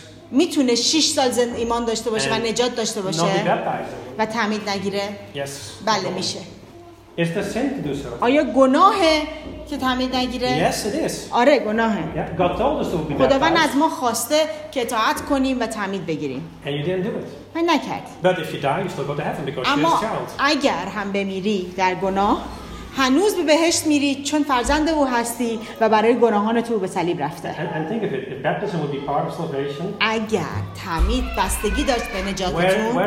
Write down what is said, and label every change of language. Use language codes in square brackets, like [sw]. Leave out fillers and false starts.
[fa] میتونه 6 سال ایمان داشته باشه و نجات داشته باشه و تعمید نگیره؟ [en] Yes. [fa] بله میشه. [en] Is the sin to do so? [fa] آیا گناهه که تعمید نگیره؟ [en] Yes, it is. [fa] آره گناهه. [en] Yeah, God told us to be baptized. [fa] خداوند از ما خواسته که اطاعت کنیم و تعمید بگیریم. [en] And you didn't do it. [fa] من نکرد. [en] But if you die, you still go to heaven because you're his child. [fa] اگر هم بمیری در گناه, هنوز به بهشت میری چون فرزند او هستی و برای گناهان تو به صلیب رفته. [en] And think of it, if baptism would be part of salvation. [fa] اگر تعمید بستگی داشت به نجاتتون.